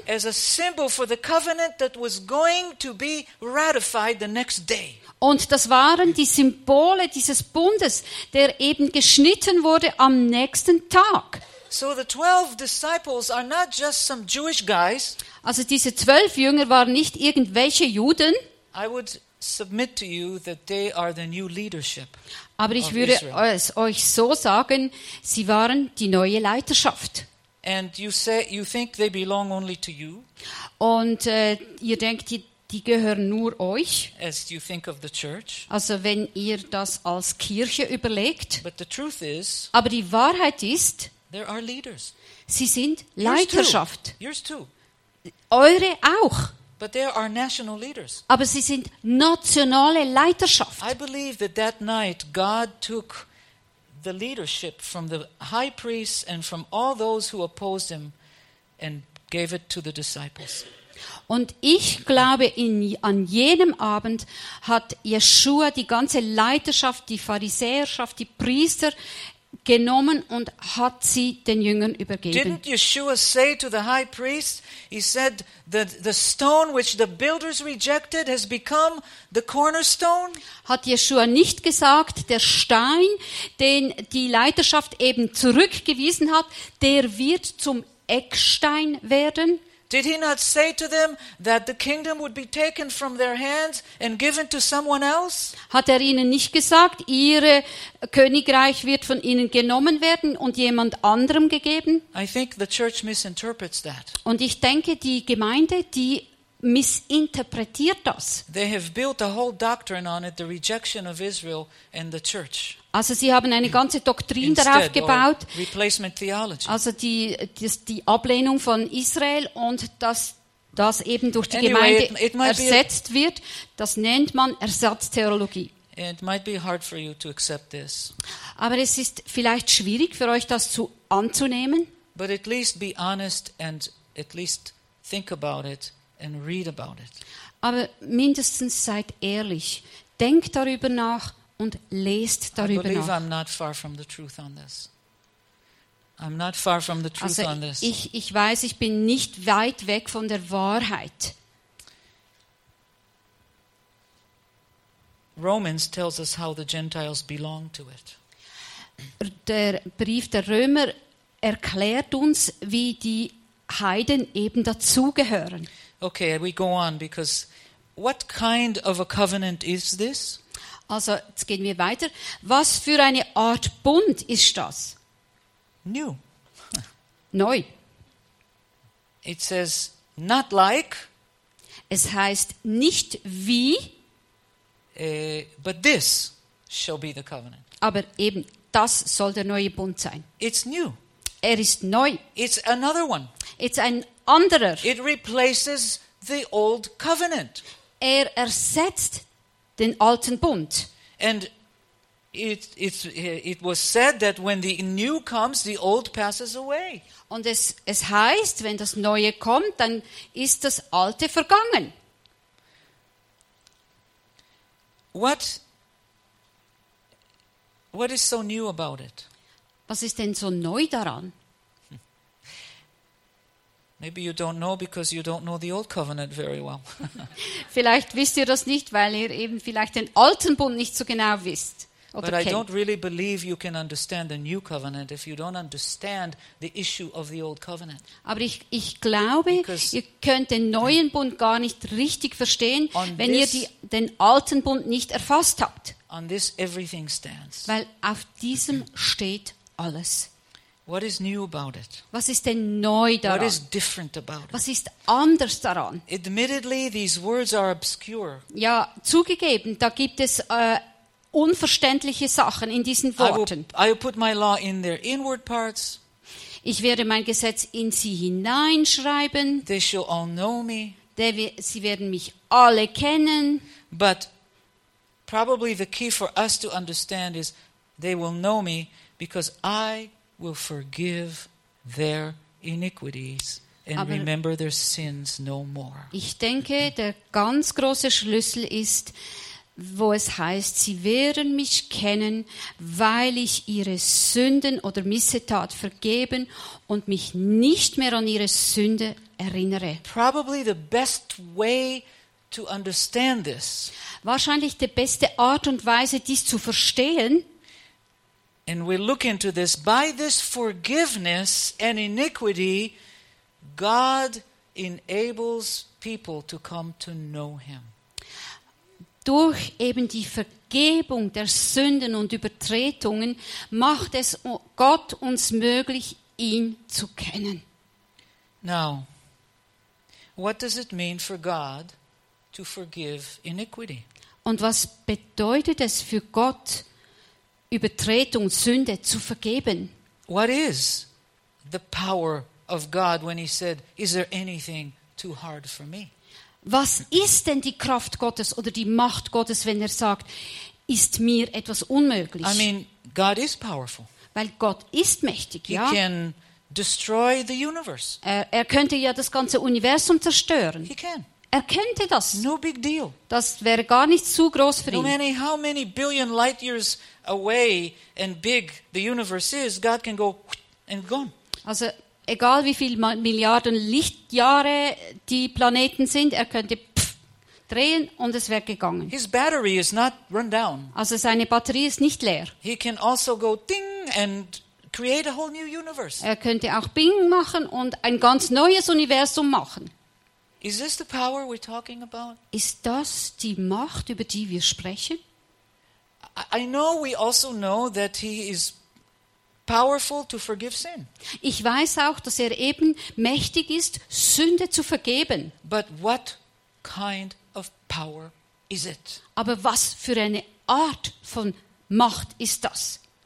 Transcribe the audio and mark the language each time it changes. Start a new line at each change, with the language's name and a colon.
English: As a symbol for the covenant that was going to be ratified the next day.
German: Und das waren die Symbole dieses Bundes, der eben geschnitten wurde am nächsten Tag.
English: So the 12 disciples are not just some Jewish guys.
German: Also diese 12 Jünger waren nicht irgendwelche Juden.
English: I would submit to you that they are the new leadership.
German: Aber ich würde es euch so sagen, sie waren die neue Leiterschaft.
English: And you say you think they belong only to you?
German: Und ihr denkt, die gehören nur euch?
English: As you think of the church?
German: Also wenn ihr das als Kirche überlegt.
English: But the truth is,
German: aber die Wahrheit ist,
English: there are leaders.
German: Sie sind Leiterschaft.
English: Yours too.
German: Eure auch.
English: But there are national leaders.
German: Aber sie sind nationale Leiterschaft.
English: I believe that that night God took the leadership from the high priest and from all those who opposed him and gave it to the disciples.
German: Und ich glaube, an jenem Abend hat Yeshua die ganze Leiterschaft, die Pharisäerschaft, die Priester genommen und hat sie den Jüngern übergeben.
English: Didn't Yeshua say to the high priest, he said that the stone which the builders rejected has become the cornerstone?
German: Hat Yeshua nicht gesagt, der Stein, den die Leiterschaft eben zurückgewiesen hat, der wird zum Eckstein werden?
English: Did he not say to them that the kingdom would be taken from their hands and given to someone else?
German: Hat er ihnen nicht gesagt, ihr Königreich wird von ihnen genommen werden und jemand anderem gegeben?
English: I think the church misinterprets that.
German: Und ich denke, die Gemeinde, die missinterpretiert das.
English: They have built a whole doctrine on it, the rejection of Israel and the church.
German: Also sie haben eine ganze Doktrin darauf gebaut,
English: replacement theology.
German: Also die Ablehnung von Israel und dass das eben durch die Gemeinde ersetzt wird, das nennt man Ersatztheologie.
English: It might be hard for you to accept this.
German: Aber es ist vielleicht schwierig für euch, das anzunehmen.
English: But at least be honest and at least think about it and read about it.
German: Aber mindestens seid ehrlich, denkt darüber nach und lest darüber nach.
English: I'm not far from the truth on this. I'm not far from the truth
German: also
English: on this.
German: Ich weiß, ich bin nicht weit weg von der Wahrheit.
English: Romans tells us how the Gentiles belong to it.
German: Der Brief der Römer erklärt uns, wie die Heiden eben dazugehören.
English: Okay, we go on because what kind of a covenant is this?
German: Also, jetzt gehen wir weiter. Was für eine Art Bund ist das?
English: New.
German: Neu.
English: It says not like.
German: Es heißt nicht wie.
English: But this shall be the covenant.
German: Aber eben das soll der neue Bund sein.
English: It's new.
German: Er ist neu.
English: It's another one.
German: It's ein anderer.
English: It replaces the old covenant.
German: Er ersetzt den alten Bund.
English: And it was said that when the new comes, the old passes away.
German: Und es heißt, wenn das neue kommt, dann ist das alte vergangen.
English: What is so new about it?
German: Was ist denn so neu daran?
English: Maybe you don't know because you don't know the old covenant very well.
German: Vielleicht wisst ihr das nicht, weil ihr eben vielleicht den alten Bund nicht so genau wisst oder
English: But
German: kennt.
English: I don't really believe you can understand the new covenant if you don't understand the issue of the old covenant.
German: Aber ich glaube, ihr könnt den neuen Bund gar nicht richtig verstehen, wenn ihr den alten Bund nicht erfasst habt.
English: On this everything stands.
German: Weil auf diesem steht alles.
English: What is new about it?
German: Was ist denn neu daran?
English: What is different about it?
German: Was ist anders daran?
English: Admittedly, these words are obscure.
German: Ja, zugegeben, da gibt es unverständliche Sachen in diesen Worten.
English: I will put my law in their inward parts.
German: Ich werde mein Gesetz in sie hineinschreiben.
English: They shall all know me.
German: Sie werden mich alle kennen.
English: But probably the key for us to understand is they will know me because I will forgive their iniquities and
German: Aber
English: remember their sins no more.
German: Ich denke, der ganz große Schlüssel ist, wo es heißt, sie werden mich kennen, weil ich ihre Sünden oder Missetat vergeben und mich nicht mehr an ihre Sünde erinnere.
English: Probably the best way to understand this.
German: Wahrscheinlich die beste Art und Weise, dies zu verstehen.
English: And we look into this. By this forgiveness and iniquity, God enables people to come to know Him.
German: Durch eben die Vergebung der Sünden und Übertretungen macht es Gott uns möglich, ihn zu kennen.
English: Now, what does it mean for God to forgive iniquity?
German: Und was bedeutet es für Gott, Übertretung, Sünde zu vergeben?
English: What is the power of God when he said, is there anything too hard for me?
German: Was ist denn die Kraft Gottes oder die Macht Gottes, wenn er sagt, ist mir etwas unmöglich?
English: I mean, God is powerful.
German: Weil Gott ist mächtig, ja.
English: He can destroy the universe.
German: Er könnte ja das ganze Universum zerstören.
English: He can.
German: Er könnte das.
English: No big deal.
German: Das wäre gar nicht zu groß für ihn.
English: No matter how many billion light years away and big the universe is, God can go and gone.
German: Also egal wie viele Milliarden Lichtjahre die Planeten sind, er könnte drehen und es wäre gegangen.
English: His battery is not run down.
German: Also seine Batterie ist nicht leer.
English: He can also go ding and create a whole new universe.
German: Er könnte auch bing machen und ein ganz neues Universum machen.
English: Is this the power we're talking about?
German: Ist das die Macht, über die wir sprechen?
English: I know we also know that he is powerful to forgive sin.
German: Ich weiß auch, dass er eben mächtig ist, Sünde zu vergeben.
English: But what kind of power is it?
German: Aber was für eine Art von Macht ist das?